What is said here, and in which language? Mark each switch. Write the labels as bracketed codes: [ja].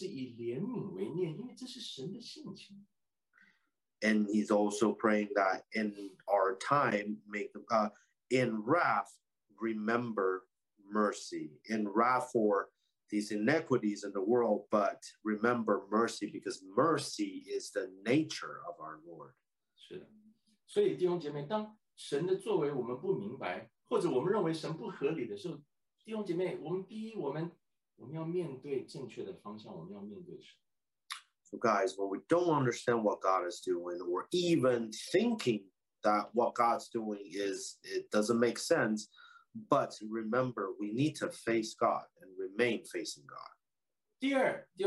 [zh] 对，他说神啊，在这些的年间显明出你的作为，然后甚至在你发怒惩治罪恶的时候，神啊，求主你是以怜悯为念，因为这是神的性情。 [en] And he's also praying that in our time, in wrath, remember mercy. In wrath for these inequities in the world, but remember mercy, because mercy is the nature of our Lord. [zh] 是的。所以弟兄姐妹，当神的作为我们不明白，或者我们认为神不合理的时候，弟兄姐妹，我们第一，我们要面对正确的方向，我们要面对神。 [en] So guys, when we don't understand what God is doing, or even thinking that what God's doing is, it doesn't make sense, but remember, we need to face God and remain facing God.